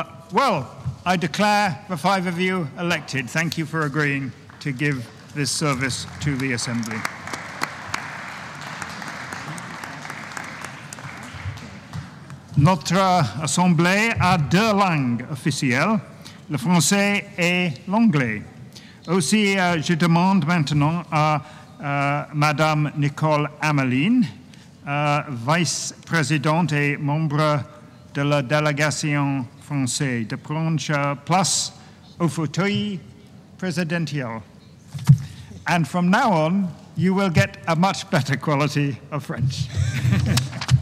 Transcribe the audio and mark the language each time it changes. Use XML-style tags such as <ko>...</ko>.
<en>Well, I declare the five of you elected. Thank you for agreeing to give this service to the Assembly.</en> <fr>Notre Assemblée a deux langues officielles, le français et l'anglais. Aussi, je demande maintenant à Madame Nicole Ameline, vice-présidente et membre de la délégation française, de prendre place au fauteuil présidentiel.</fr> <en>And from now on, you will get a much better quality of French.</en>